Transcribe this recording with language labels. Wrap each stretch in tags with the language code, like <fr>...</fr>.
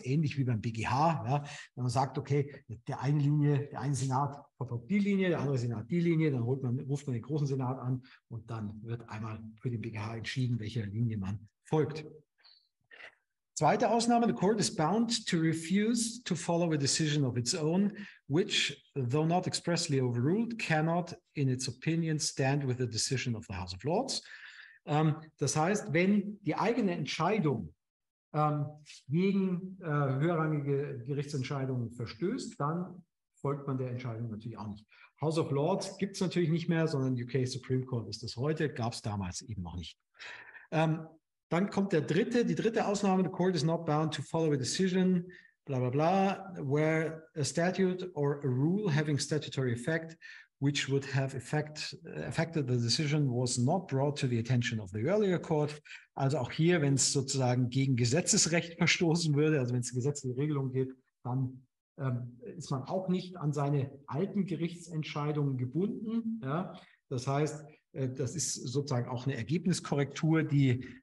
<de>Ist ähnlich wie beim BGH, ja, wenn man sagt, okay, der eine Senat verfolgt die Linie, der andere Senat die Linie, dann ruft man den großen Senat an und dann wird einmal für den BGH entschieden, welcher Linie man folgt. 2. Ausnahme,</de> <en>the court is bound to refuse to follow a decision of its own, which, though not expressly overruled, cannot, in its opinion, stand with the decision of the House of Lords.</en> <de>Das heißt, wenn die eigene Entscheidung gegen höherrangige Gerichtsentscheidungen verstößt, dann folgt man der Entscheidung natürlich auch nicht. House of Lords gibt es natürlich nicht mehr, sondern UK Supreme Court ist das heute, gab es damals eben noch nicht. Dann kommt die dritte Ausnahme,</de> <en>the court is not bound to follow a decision, bla bla bla, where a statute or a rule having statutory effect, which would have affected the decision, was not brought to the attention of the earlier court.</en> <de>Also auch hier, wenn es sozusagen gegen Gesetzesrecht verstoßen würde, also wenn es gesetzliche Regelungen gibt, dann ist man auch nicht an seine alten Gerichtsentscheidungen gebunden. Ja? Das heißt, das ist sozusagen auch eine Ergebniskorrektur, die</de>